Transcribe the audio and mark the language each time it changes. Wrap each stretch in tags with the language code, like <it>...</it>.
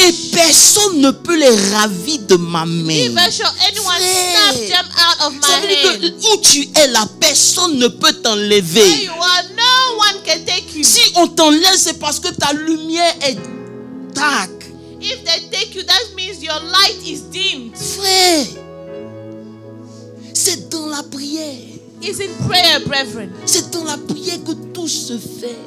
<fr>Et personne ne peut les ravir de ma main.</fr> <en>Neither shall anyone snap them out of my hand.</en> <fr>Ça veut dire que où tu es, la personne ne peut t'enlever.</fr> <en>Where you are, no one can take you.</en> <fr>Si on t'enlève, c'est parce que ta lumière est</fr> <en>dark. If they take you, that means your light is dimmed.</en> <fr>Frère, c'est dans la prière.</fr> <en>Is in prayer, brethren.</en> <fr>C'est dans la prière que tout se fait.</fr>